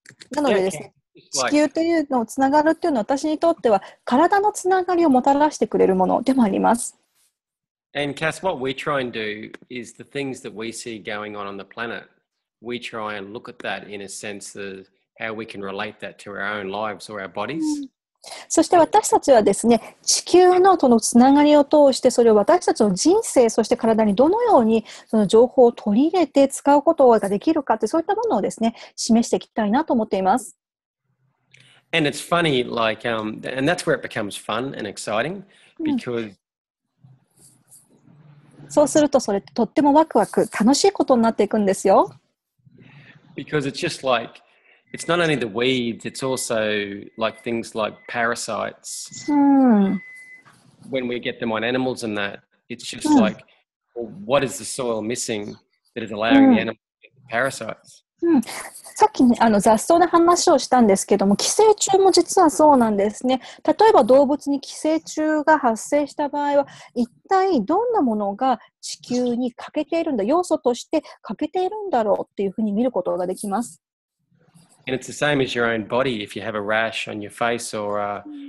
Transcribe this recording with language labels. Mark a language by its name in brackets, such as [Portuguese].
[Japanese] なのでですね、地球というのをつながるというのは私にとっては体のつながりをもたらしてくれるものでもあります。 [English] And Kass, what we try and do is the things that we see going on the planet, we try and look at that in a sense of how we can relate that to our own lives or our bodies. [Japanese] そして私たちはですね、地球のとのつながりを通してそれを私たちの人生、そして体にどのようにその情報を取り入れて使うことができるかって、そういったものをですね示していきたいなと思っています。 [English] And it's funny, like, and that's where it becomes fun and exciting, because... [Japanese] そうするとそれとってもワクワク、楽しいことになっていくんですよ。 [English] Because it's just like, it's not only the weeds, it's also like things like parasites. When we get them on animals and that, it's just like, well, what is the soil missing that is allowing the animals to get the parasites? [Japanese] さっき、ね、雑草の話をしたんですけども、寄生虫も実はそうなんですね。例えば動物に寄生虫が発生した場合は、一体どんなものが地球に欠けているんだ、要素として欠けているんだろうっていうふうに見ることができます。 [English] And it's the same as your own body. If you have a rash on your face or a,